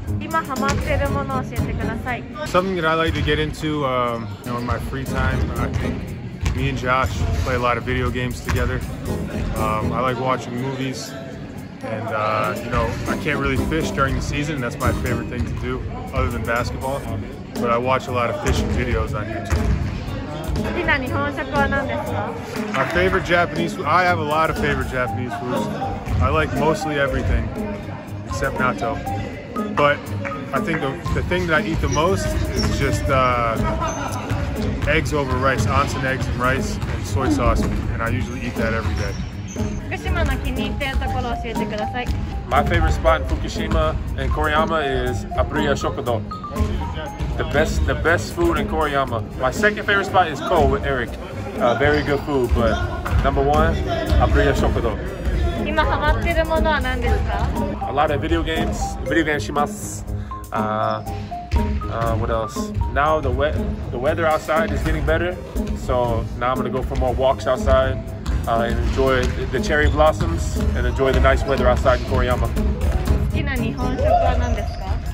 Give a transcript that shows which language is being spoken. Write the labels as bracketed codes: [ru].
[en] Something that I like to get into in my free time, I think. Me and Josh play a lot of video games together. I like watching movies. And, I can't really fish during the season. That's my favorite thing to do, other than basketball. But I watch a lot of fishing videos on YouTube. [ja] 好きな日本食は何ですか? [en] My favorite Japanese food. I have a lot of favorite Japanese foods. I like mostly everything, except natto. But I think the thing that I eat the most is just. Eggs over rice, onsen eggs and rice and soy sauce, and I usually eat that every day. My favorite spot in Fukushima and Koriyama is Abria Shokudo. The best food in Koriyama. My second favorite spot is Ko with Eric. Very good food, but number one, Abria Shokudo. A lot of video games. Video game shimasu. What else? Now the weather outside is getting better, so now I'm gonna go for more walks outside and enjoy the cherry blossoms and enjoy the nice weather outside in Koriyama. [ja] 好きな日本食は何ですか?